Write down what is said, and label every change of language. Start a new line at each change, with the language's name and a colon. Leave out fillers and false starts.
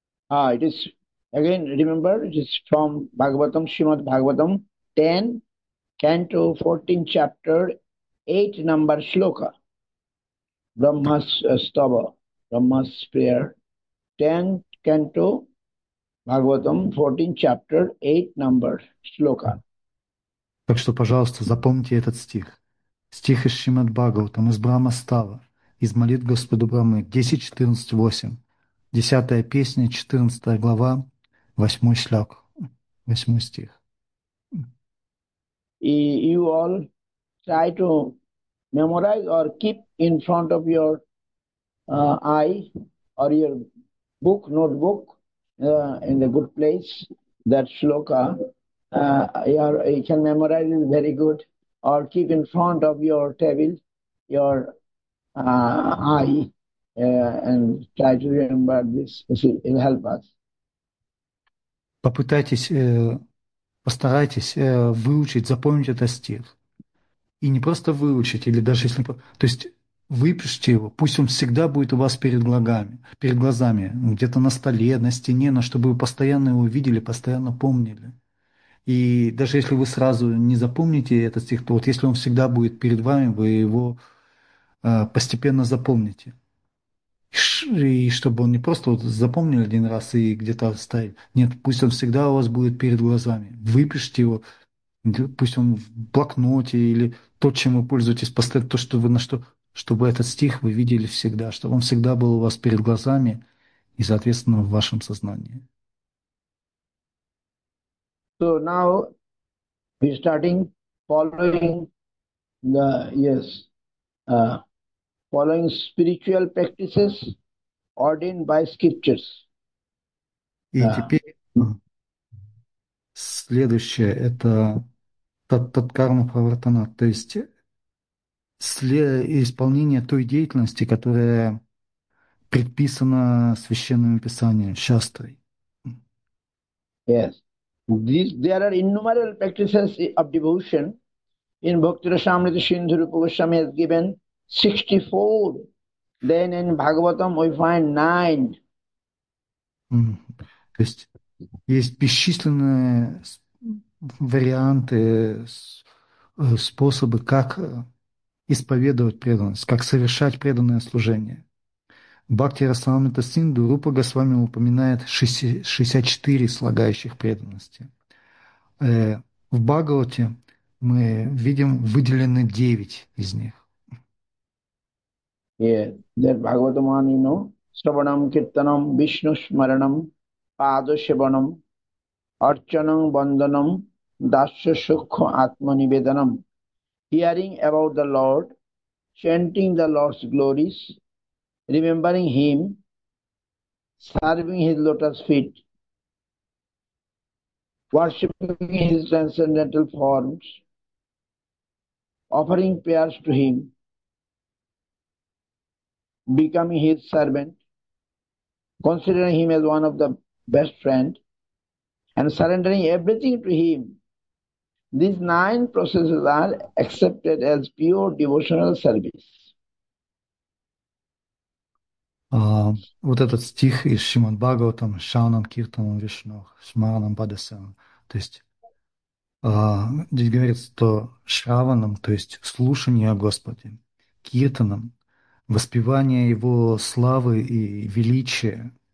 English: It is, again, remember, it is from Bhagavatam, Srimad Bhagavatam, 10, Canto 14, Chapter 8, Number Shloka, Brahma's Stava, Brahma's Prayer, 10, Canto, Bhagavatam, 14, Chapter 8, Number Shloka.
Russian: Так что, пожалуйста, запомните этот стих. Стих из Шримад Бхагаватам, из Брахма Става, из молитв Господу Брахмы, 10.14.8. Десятая песня, 14 глава, 8 шлёк, 8 стих.
English: И you all try to memorize or keep in front of your eye or your book, notebook, in the good place, that shloka. You can memorize it very good, or keep in front of your table, your eye, and try to remember this. It will help us.
Russian: Постарайтесь выучить, запомнить этот стих. И не просто выучить, или даже если... То есть выпишите его, пусть он всегда будет у вас перед глазами, где-то на столе, на стене, но чтобы вы постоянно его видели, постоянно помнили. И даже если вы сразу не запомните этот стих, то вот если он всегда будет перед вами, вы его постепенно запомните. И чтобы он не просто вот запомнил один раз и где-то оставил. Нет, пусть он всегда у вас будет перед глазами. Выпишите его, пусть он в блокноте или то, чем вы пользуетесь, поставить то, что вы на что, чтобы этот стих вы видели всегда, чтобы он всегда был у вас перед глазами и, соответственно, в вашем сознании.
English: So now we're starting following the following spiritual practices ordained by scriptures.
Russian: И теперь следующее это таткарма правартана, то есть исполнение той деятельности, которая предписана священным писанием, шастрой.
English: Yes. There are innumerable practices of devotion. In Bhakti Rasamrita, Sindhu Rupa Goswami has given 64. Then in Bhagavatam, we find 9.
Russian: То есть есть бесчисленные варианты, способы, как исповедовать преданность, как совершать преданное служение. Бхакти Расамрита Синду Рупа Госвами упоминает 64 слагающих преданности. В Бхагавате мы видим выделены 9 из них.
English: Yeah, that Bhagavatam, Sravanam, Kirtanam, Vishnu Smaranam, Pada Sevanam, Archanam, Vandanam, Dasya Sukha, Atma Nivedanam, hearing about the Lord, chanting the Lord's glories, remembering Him, serving His lotus feet, worshipping His transcendental forms, offering prayers to Him, becoming his servant, considering him as one of the best friend, and surrendering everything to him. These 9 processes are accepted as pure devotional service.
Russian: Вот этот стих из Шримад-Бхагаватам, Шаванам, Киртанам, Вишну, Смаранам, Падасанам. То есть здесь говорится, что Шраванам, то есть слушание о Господе, Киртанам, воспевание Его славы и величия